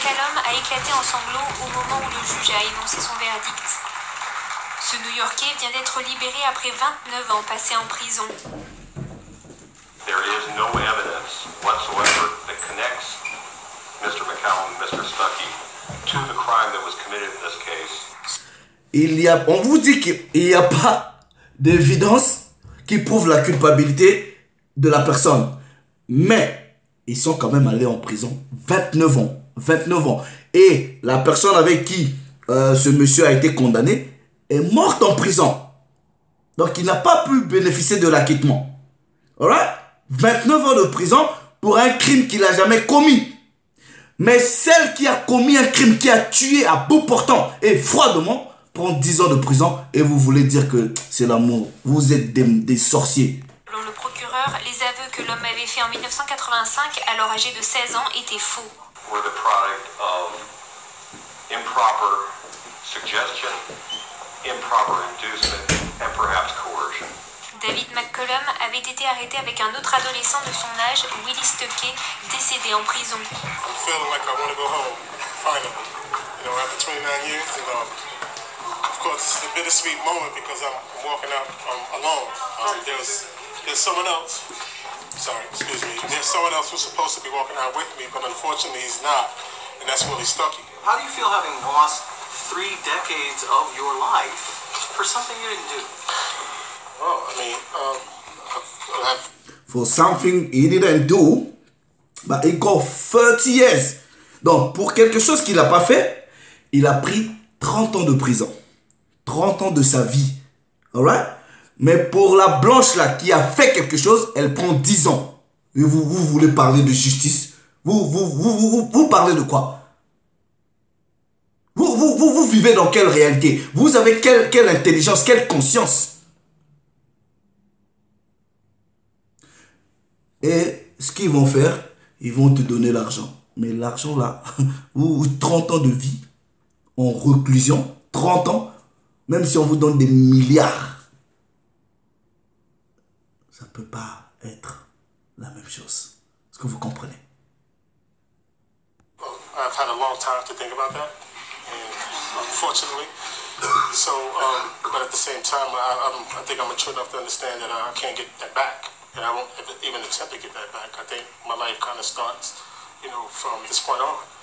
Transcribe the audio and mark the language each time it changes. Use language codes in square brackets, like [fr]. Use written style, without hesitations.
[fr] A éclaté en sanglots au moment où le juge a énoncé son verdict. Ce New-Yorkais vient d'être libéré après 29 ans passés en prison. [en] There is no evidence whatsoever that connects Mr. McCallum, Mr. Stuckey, to the crime that was committed in this case. [fr] On vous dit qu'il n'y a pas d'évidence qui prouve la culpabilité de la personne. Mais ils sont quand même allés en prison 29 ans. 29 ans. Et la personne avec qui ce monsieur a été condamné est morte en prison. Donc il n'a pas pu bénéficier de l'acquittement. Alright? 29 ans de prison pour un crime qu'il n'a jamais commis. Mais celle qui a commis un crime, qui a tué à bout portant et froidement, prend 10 ans de prison et vous voulez dire que c'est l'amour. Vous êtes des sorciers. Selon le procureur, les aveux que l'homme avait faits en 1985, alors âgé de 16 ans, étaient faux. [en] Were the product of improper suggestion, improper inducement, and perhaps coercion. [fr] David McCollum avait été arrêté avec un autre adolescent de son âge, Willie Stuckey, décédé en prison. [en] I'm feeling like I want to go home, finally. You know, after 29 years, and of course, it's a bittersweet moment because I'm walking out alone. There's someone else. Sorry, excuse me. There's someone else who's supposed to be walking out with me, but unfortunately he's not. And that's Willie Stuckey. How do you feel having lost 3 decades of your life for something you didn't do? Well, I mean, I've For something he didn't do, but it got 30 years. [fr] Donc, pour quelque chose qu'il n'a pas fait, il a pris 30 ans de prison. 30 ans de sa vie. Alright? Mais pour la blanche là qui a fait quelque chose, elle prend 10 ans. Et vous voulez parler de justice? Vous parlez de quoi? Vous vivez dans quelle réalité? Vous avez quelle intelligence, quelle conscience? Et ce qu'ils vont faire, ils vont te donner l'argent. Mais l'argent là, ou 30 ans de vie en réclusion, 30 ans, même si on vous donne des milliards. Ça peut pas être la même chose. Est-ce que vous comprenez? [en] I've had a long time to think about that, and unfortunately, but at the same time, I think I'm mature enough to understand that I can't get that back, and I won't ever, even attempt to get that back. I think my life kind of starts, you know, from this point on.